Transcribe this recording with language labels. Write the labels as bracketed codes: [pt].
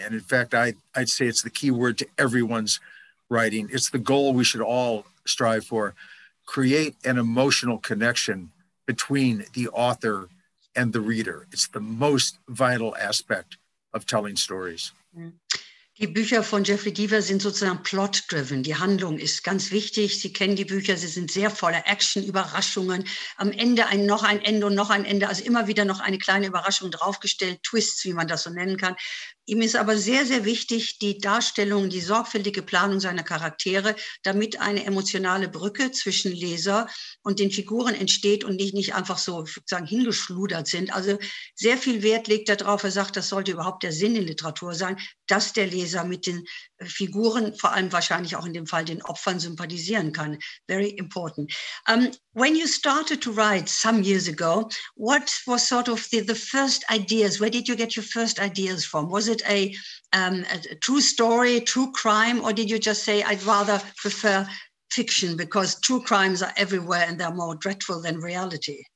[en] And in fact, I'd say it's the key word to everyone's writing. It's the goal we should all strive for. Create an emotional connection between the author and the reader. It's the most vital aspect of telling stories. [de] Die Bücher von Jeffery Deaver sind sozusagen plot-driven. Die Handlung ist ganz wichtig. Sie kennen die Bücher, sie sind sehr voller Action, Überraschungen. Am Ende noch ein Ende, also immer wieder noch eine kleine Überraschung draufgestellt, Twists, wie man das so nennen kann. Ihm ist aber sehr, sehr wichtig die Darstellung, die sorgfältige Planung seiner Charaktere, damit eine emotionale Brücke zwischen Leser und den Figuren entsteht und nicht einfach so sozusagen hingeschludert sind. Also sehr viel Wert legt er darauf. Er sagt, das sollte überhaupt der Sinn in Literatur sein, dass der Leser mit den Figuren, vor allem wahrscheinlich auch in dem Fall den Opfern, sympathisieren kann. [en] Very important. When you started to write some years ago, what was sort of the first ideas? Where did you get your first ideas from? Was it a true story, true crime, or did you just say, I'd rather prefer fiction because true crimes are everywhere and they're more dreadful than reality?